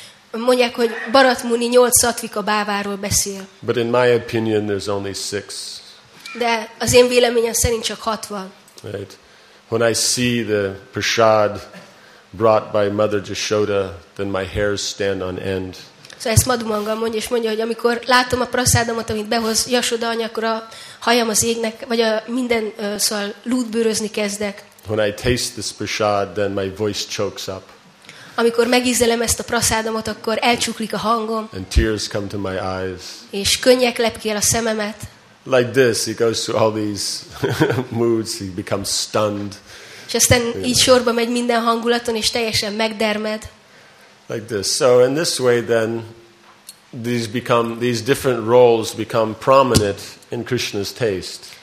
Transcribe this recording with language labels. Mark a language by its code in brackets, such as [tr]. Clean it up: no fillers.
[hu] Mondják, hogy Bharat Muni 8 sattvika bháváról beszél. [en] But in my opinion, there's only 6. [hu] De az én véleményem szerint csak 6 van. [en] Right. When I see the prasad brought by Mother Jashoda, then my hairs stand on end. [hu] Szóval ezt Madhu Mangal mondja, és mondja, hogy amikor látom a prasádomat, amit behoz Jashoda anya, akkor a hajam az égnek, vagy a minden szóval lúdbőrözni kezdek. [en] When I taste this prasad, then my voice chokes up. [hu] Amikor megízlelem ezt a prasádomat, akkor elcsuklik a hangom. [en] And tears come to my eyes. [hu] És könnyek lepik el a szememet. [en] Like this, he goes through all these moods, he becomes stunned. [hu] És aztán így sorba megy minden hangulaton, és teljesen megdermed. [en] Like this. So in this way then, these different roles become prominent in Krishna's taste.